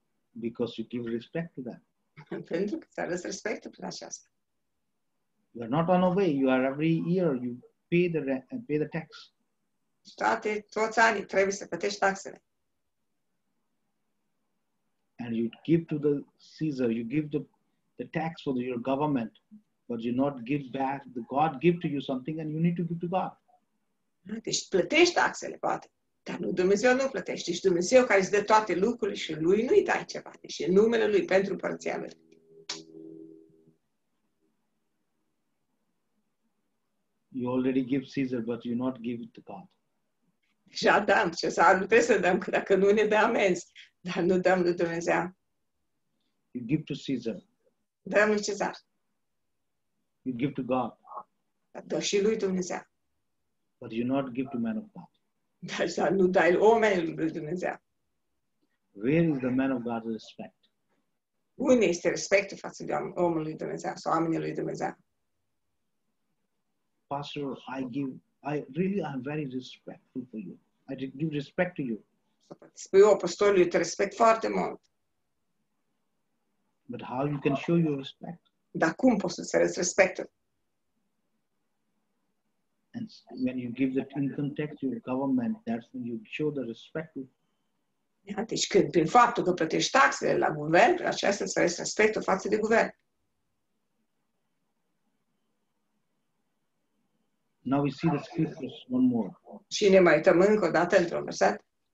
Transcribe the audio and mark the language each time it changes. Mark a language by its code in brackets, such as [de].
[en] Because you give respect to them. [ro] Pentru că ți-arăs respectul prin aceasta. [en] You are not on the way. You are every year. You pay the tax. [ro] Toți anii trebuie să plătești taxele. [en] And you give to the Caesar, you give the tax for your government, but you not give back. The God give to you something and you need to give to God. [ro] Deci plătești taxele, poate. Dar nu, Dumnezeu nu plătești. Deci Dumnezeu care îți dă toate lucrurile și lui nu-i dai ceva. Deci e numele lui pentru părția lui. [en] You already give Caesar, but you not give it to God. [ro] Deja dăm, ce să nu trebuie să dăm, că dacă nu ne dă amenzi, dar nu dăm lui Dumnezeu. [en] You give to Caesar. [ro] Dăm lui Cezar. [en] You give to God. [ro] Dar dă și lui Dumnezeu. [en] But you not give to man of God. [ro] Dar să nu dai omenilor lui Dumnezeu. [en] Where is the man of God's respect? [ro] Unde este respectul față de omul lui Dumnezeu sau oamenii lui Dumnezeu? [en] Pastor, I'm very respectful for you. I give respect to you. [ro] Spui, pastor, eu te respect foarte mult. [en] But how you can show your respect? [ro] Dar cum poți să arăți respectul? [en] And when you give the income tax to your government, that's when you show the respect. [ro] Yeah, deci când, prin faptul că plătești taxele la guvern, aceasta îți arăți respectul față de guvern. [en] Now we see the scriptures one more. [ro] Și ne mai uităm încă o dată într-un verset.